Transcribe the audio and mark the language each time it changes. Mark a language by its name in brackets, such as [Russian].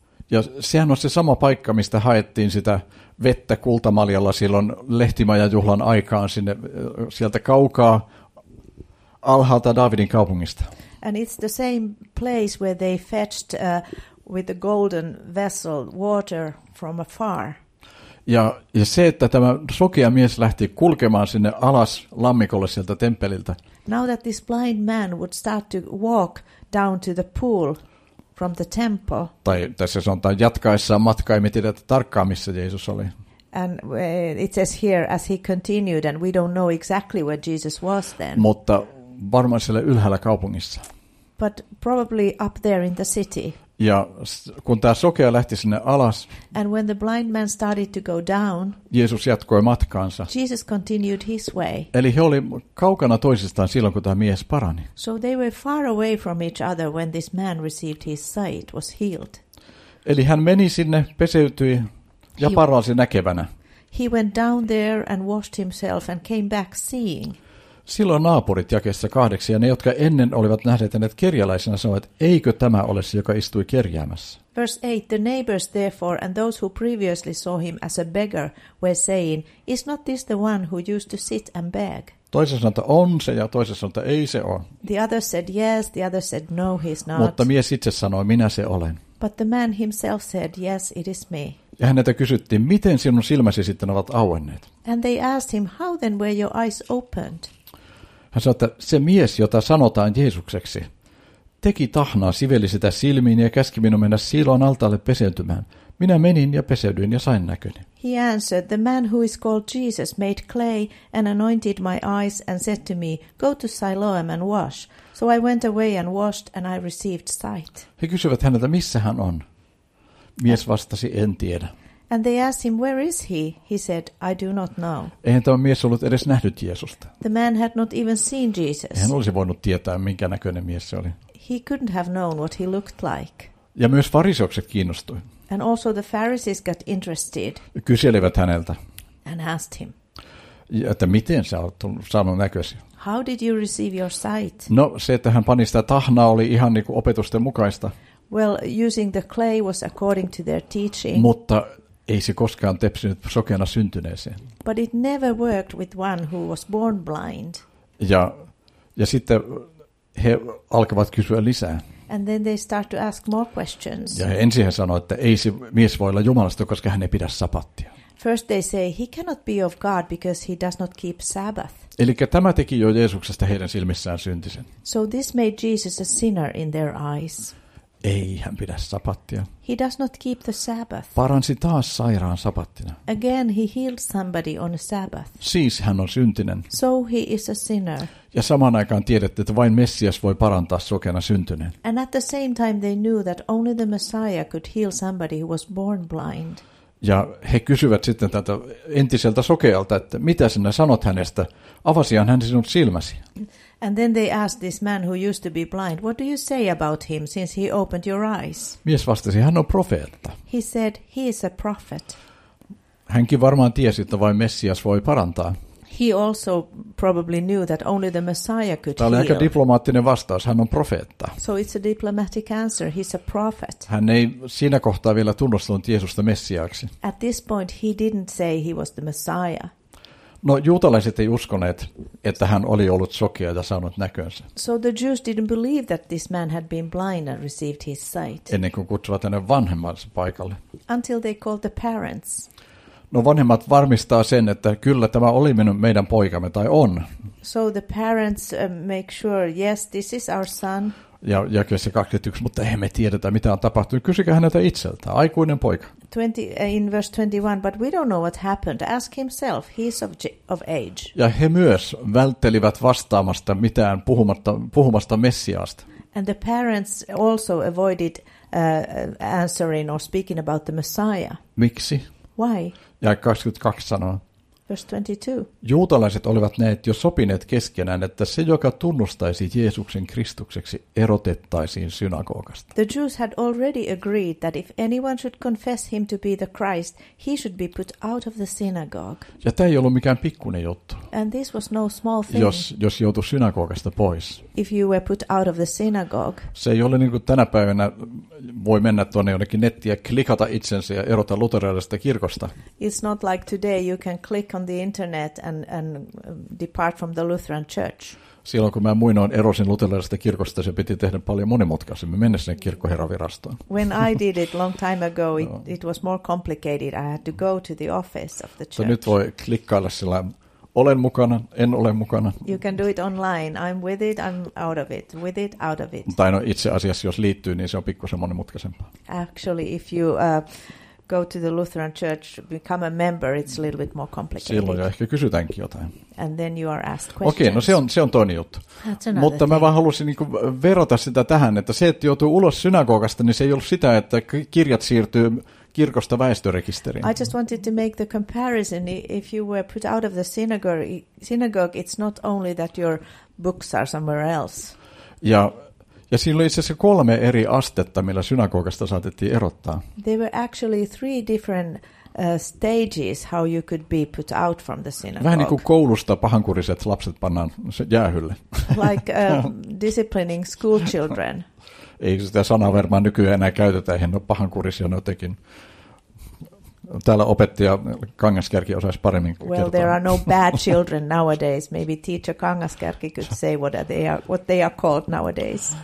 [Finnish] Ja sehän on se sama paikka, mistä haettiin sitä vettä kultamaljalla silloin lehtimajan juhlan aikaan sinne sieltä kaukaa alhaalta Daavidin kaupungista. [English] And it's the same place where they fetched with the golden vessel water from afar. [Finnish] Ja se, että tämä sokea mies lähti kulkemaan sinne alas lammikolle sieltä temppeliltä. [English] Now that this blind man would start to walk down to the pool from the temple. [Finnish] Tai tässä sanotaan jatkaessaan matkaa, emme tiedä tarkkaan, missä Jeesus oli. [English] And it says here, as he continued, and we don't know exactly where Jesus was then. [Finnish] Mutta varmaan siellä ylhäällä kaupungissa. [English] But probably up there in the city. [Finnish] Ja kun tämä sokea lähti sinne alas, [English] and when the blind man started to go down, [Finnish] Jeesus jatkoi matkaansa. [English] Jesus continued his way. [Finnish] Eli he oli kaukana toisistaan silloin, kun tämä mies parani. [English] So they were far away from each other when this man received his sight, was healed. [Finnish] Eli hän meni sinne, peseytyi ja paransi näkevänä. [English] He went down there and washed himself and came back seeing. [Finnish] Silloin naapurit jakeessa 8 ja ne, jotka ennen olivat nähneet hänet kerjäläisenä, sanoivat, eikö tämä ole se, joka istui kerjäämässä. [English] Verse 8. The neighbors therefore and those who previously saw him as a beggar were saying, is not this the one who used to sit and beg? [Finnish] Toisessa sanotaan, on se ja toisessa sanotaan, ei se ole. [English] The other said yes, the other said no, he's not. [Finnish] Mutta mies itse sanoi, minä se olen. [English] But the man himself said, yes, it is me. [Finnish] Ja häneltä kysyttiin, miten sinun silmäsi sitten ovat auenneet? [English] And they asked him, how then were your eyes opened? [Finnish] Hän sanoi, että se mies, jota sanotaan Jeesukseksi, teki tahnaa, siveli sitä silmiin ja käski minun mennä Siloan altaalle peseytymään. Minä menin ja peseydyin ja sain näköni. [English] He answered, the man who is called Jesus made clay and anointed my eyes and said to me, go to Siloam and wash. So I went away and washed and I received sight. [Finnish] He kysyivät häneltä, missä hän on. Mies vastasi, en tiedä. [English] And they asked him, where is he? He said, I do not know. [Finnish] Eihän tämä mies ollut edes nähnyt Jeesusta. [English] The man had not even seen Jesus. [Finnish] Hän olisi voinut tietää, minkä näköinen mies se oli. [English] He couldn't have known what he looked like. [Finnish] Ja myös fariseukset kiinnostui. [English] And also the Pharisees got interested. [Finnish] Kyselivät häneltä. [English] And asked him. [Finnish] Että miten sä olet saanut näkösi? [English] How did you receive your sight? [Finnish] No, se, että hän pani sitä tahnaa, oli ihan niin kuin opetusten mukaista. [English] Well, using the clay was according to their teaching. [Finnish] Mutta ei se koskaan tepsinyt sokeana syntyneeseen. [English] But it never worked with one who was born blind. [Finnish] Ja sitten he alkavat kysyä lisää. [English] And then they start to ask more questions. [Finnish] Ja ensin he sanoivat, että ei se mies voi olla Jumalasta, koska hän ei pidä sapattia. [English] First they say he cannot be of God because he does not keep Sabbath. [Finnish] Eli tämä teki jo Jeesuksesta heidän silmissään syntisen. [English] So this made Jesus a sinner in their eyes. [Finnish] Ei hän pidä sapattia. [English] He does not keep the Sabbath. [Finnish] Paransi taas sairaan sapattina. [English] Again he healed somebody on a Sabbath. [Finnish] Siis hän on syntinen. [English] So he is a sinner. [Finnish] Ja samaan aikaan tiedettiin, että vain Messias voi parantaa sokeana syntyneen. [English] And at the same time they knew that only the Messiah could heal somebody who was born blind. [Finnish] Ja he kysyvät sitten tältä entiseltä sokealta, että mitä sinä sanot hänestä? Avasihan hän sinun silmäsi. [English] And then they asked this man who used to be blind, what do you say about him since he opened your eyes? [Finnish] Mies vastasi, hän on profeetta. [English] He said, he is a prophet. [Finnish] Hänkin varmaan tiesi, että vain Messias voi parantaa. [English] He also probably knew that only the Messiah could heal. [Finnish] Tämä oli aika diplomaattinen vastaus, hän on profeetta. [English] So it's a diplomatic answer, he's a prophet. [Finnish] Hän ei siinä kohtaa vielä tunnustanut Jeesusta Messiaaksi. [English] At this point he didn't say he was the Messiah. [Finnish] No, juutalaiset ei uskoneet, että hän oli ollut sokea ja saanut näkönsä. [English] So the Jews didn't believe that this man had been blind and received his sight. [Finnish] Ennen kuin kutsuvat hänen vanhemmansa paikalle. [English] Until they called the parents. [Finnish] No, vanhemmat varmistaa sen, että kyllä tämä oli meidän poikamme tai on. [English] So the parents make sure, yes, this is our son. [Finnish] Ja kysy 21, mutta emme tiedetä, mitä on tapahtunut. Kysykää häneltä itseltään, aikuinen poika. [English] In verse 21, but we don't know what happened. Ask himself, he's of age. [Finnish] Ja he myös välttelivät vastaamasta mitään puhumasta Messiaasta. [English] And the parents also avoided answering or speaking about the Messiah. [Finnish] Miksi? [English] Why? [Finnish] Ja 22 sanoo. [English] Verse 22. [Finnish] Juutalaiset olivat näet jo sopineet keskenään, että se, joka tunnustaisi Jeesuksen Kristukseksi, erotettaisiin synagogasta. [English] The Jews had already agreed that if anyone should confess him to be the Christ, he should be put out of the synagogue. [Finnish] Ja tämä ei ollut mikään pikkuinen juttu. [English] And this was no small thing. [Finnish] Jos joutui synagogasta pois. [English] If you were put out of the synagogue. [Finnish] Se ei ole niin kuin tänä päivänä, voi mennä tuonne jonnekin nettiin ja klikata itsensä ja erota luterilaisesta kirkosta. [English] It's not like today you can click on the internet and depart from the Lutheran church. [Finnish] Silloin kun mä muinoin erosin luterilaisesta kirkosta, se piti tehdä paljon monimutkaisemmin, mennä sinne kirkkoherravirastoon. [English] When I did it long time ago, it was more complicated. I had to go to the office of the church. [Finnish] Nyt voi klikkailla sillä olen mukana, en ole mukana. [English] You can do it online. I'm with it, I'm out of it. With it, out of it. [Finnish] Tai no, itse asiassa jos liittyy, niin se on pikkusen monimutkaisempaa. [English] Actually, if you go to the Lutheran church, become a member, it's a little bit more complicated. [Finnish] Silloin jo ehkä kysytäänkin jotain. [English] And then you are asked questions. [Finnish] Okei, no se on toinen juttu. [English] That's another [Finnish] Mutta [English] thing. [Finnish] Mä vaan halusin niin kuin verota sitä tähän, että se, että joutuu ulos synagogasta, niin se ei ollut sitä, että kirjat siirtyy kirkosta väestörekisteriin. [English] I just wanted to make the comparison. If you were put out of the synagogue, it's not only that your books are somewhere else. [Finnish] Ja siinä oli itse asiassa kolme eri astetta, millä synagogasta saatettiin erottaa. [English] There were actually three different stages how you could be put out from the synagogue. [Finnish] Vähän niin kuin koulusta pahankuriset lapset pannaan jäähylle. [English] Like disciplining school children. [Finnish] Ei sitä sanaa varmaan nykyään enää käytetä, eihän ne ole pahankurisia jotenkin. Täällä opettaja Kangaskärki osaisi paremmin kertoa. [English] Well, there are no bad children nowadays. Maybe teacher Kangaskärki could say what they are called nowadays.